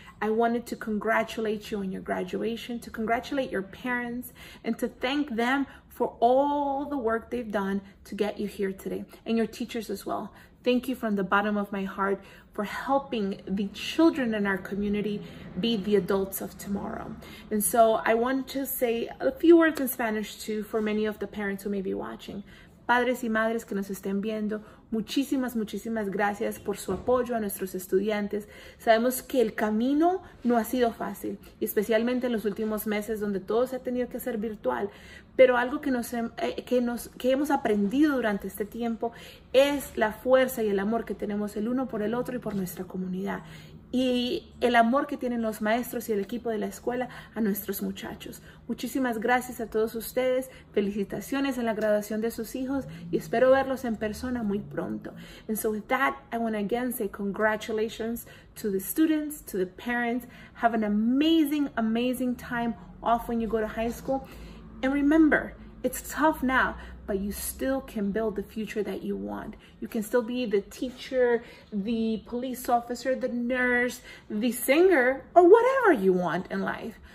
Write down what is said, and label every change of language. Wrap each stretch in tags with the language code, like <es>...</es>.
<en>I wanted to congratulate you on your graduation, to congratulate your parents, and to thank them for all the work they've done to get you here today, and your teachers as well. Thank you from the bottom of my heart for helping the children in our community be the adults of tomorrow. And so I want to say a few words in Spanish too for many of the parents who may be watching.</en> <es>Padres y madres que nos estén viendo, muchísimas, muchísimas gracias por su apoyo a nuestros estudiantes. Sabemos que el camino no ha sido fácil, especialmente en los últimos meses donde todo se ha tenido que hacer virtual. Pero algo que hemos aprendido durante este tiempo es la fuerza y el amor que tenemos el uno por el otro y por nuestra comunidad. Y el amor que tienen los maestros y el equipo de la escuela a nuestros muchachos. Muchísimas gracias a todos ustedes. Felicitaciones en la graduación de sus hijos y espero verlos en persona muy pronto.</es> <en>And so with that, I want to again say congratulations to the students, to the parents. Have an amazing, amazing time off when you go to high school. And remember, it's tough now, but you still can build the future that you want. You can still be the teacher, the police officer, the nurse, the singer, or whatever you want in life.</en>